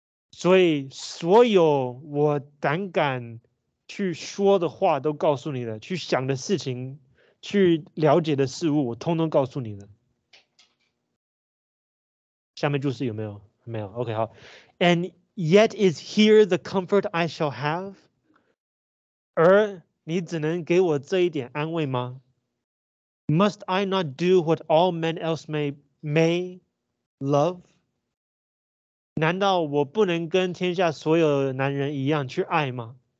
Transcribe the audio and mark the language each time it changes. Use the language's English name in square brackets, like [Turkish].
[Chinese] 所以所有我胆敢去说的话都告诉你了，去想的事情，去了解的事物，我通通告诉你了。下面就是有没有？没有。OK, 好。 [English] And yet is here the comfort I shall have? [Chinese] 而你只能给我这一点安慰吗？ [English] Must I not do what all men else may love? [Chinese] 难道我不能跟天下所有男人一样去爱吗？